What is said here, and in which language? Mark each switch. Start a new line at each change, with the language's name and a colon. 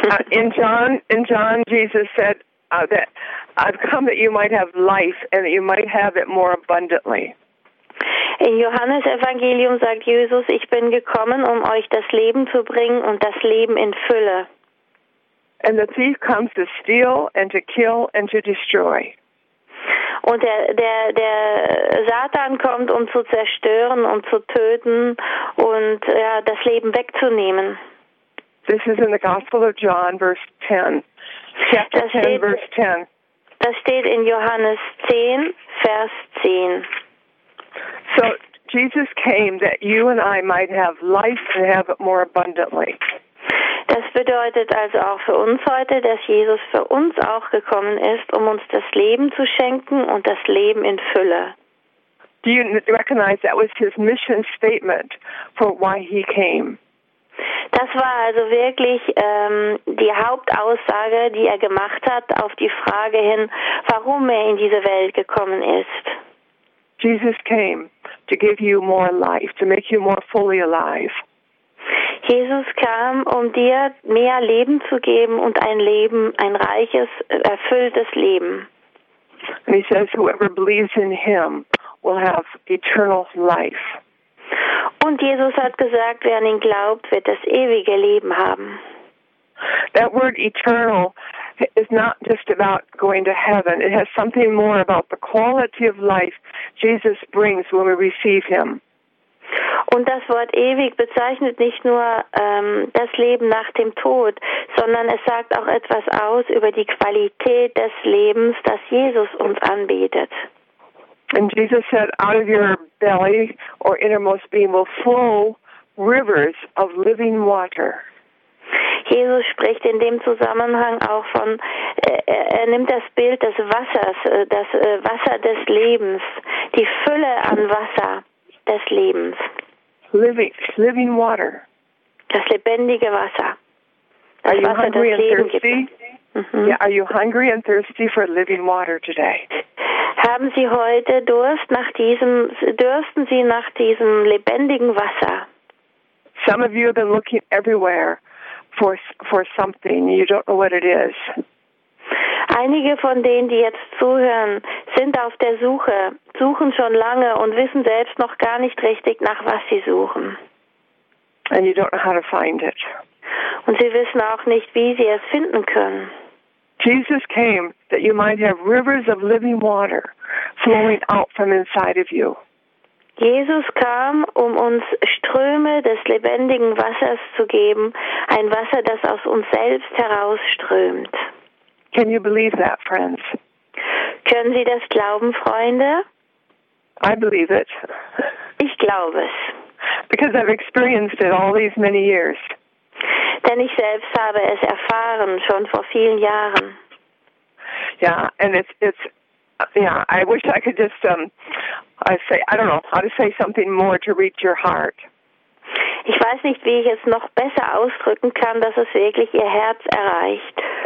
English: In John, Jesus said that I've come that you might have life and that you might have it more abundantly.
German: In Johannes Evangelium sagt Jesus, ich bin gekommen, um euch das Leben zu bringen und das Leben in Fülle.
English: And the thief comes to steal and to kill and to destroy.
German: Und der Satan kommt, um zu zerstören und zu töten und ja, das Leben wegzunehmen.
English: This is in the Gospel of John, verse 10. Chapter 10, verse 10.
German: Das steht in Johannes 10, Vers 10.
English: So, Jesus came that you and I might have life and have it more abundantly.
German: Das bedeutet also auch für uns heute, dass Jesus für uns auch gekommen ist, um uns das Leben zu schenken und das Leben in Fülle.
English: Do you recognize that was his mission statement for why he came?
German: Das war also wirklich die Hauptaussage, die er gemacht hat, auf die Frage hin, warum er in diese Welt gekommen ist.
English: Jesus came to give you more life, to make you more fully alive.
German: Jesus kam, um dir mehr Leben zu geben und ein Leben, ein reiches, erfülltes Leben.
English: And he says, whoever believes in him will have eternal life.
German: Und Jesus hat gesagt, wer an ihn glaubt, wird das ewige Leben haben.
English: That word eternal is not just about going to heaven. It has something more about the quality of life Jesus brings when we receive him.
German: Und das Wort ewig bezeichnet nicht nur das Leben nach dem Tod, sondern es sagt auch etwas aus über die Qualität des Lebens, das Jesus uns anbietet.
English: And Jesus said, out of your belly or innermost being will flow rivers of living water.
German: Jesus spricht in dem Zusammenhang auch von, er nimmt das Bild des Wassers, das Wasser des Lebens, die Fülle an Wasser des Lebens.
English: Living water.
German: Das lebendige Wasser.
English: Are you hungry and thirsty? Mm-hmm. Yeah, are you hungry and thirsty for living water today?
German: Haben Sie heute Durst nach diesem, dürsten Sie nach diesem lebendigen Wasser?
English: Some of you have been looking everywhere for something. You don't know what it is.
German: Einige von denen, die jetzt zuhören, sind auf der Suche, suchen schon lange und wissen selbst noch gar nicht richtig, nach was sie suchen.
English: And you don't know how to find it.
German: Und sie wissen auch nicht, wie sie es finden können.
English: Jesus came that you might have rivers of living water flowing out from inside of you.
German: Jesus kam, um uns Ströme des lebendigen Wassers zu geben, ein Wasser, das aus uns selbst herausströmt.
English: Can you believe that, friends?
German: Können Sie das glauben, Freunde?
English: I believe it.
German: Ich glaube es.
English: Because I've experienced it all these many years.
German: Denn ich selbst habe es erfahren, schon vor vielen Jahren.
English: Yeah, and it's yeah, I wish I could just I say, I don't know, how to say something more to reach your heart.
German: Ich weiß nicht, wie ich es noch besser ausdrücken kann, dass es wirklich Ihr Herz erreicht.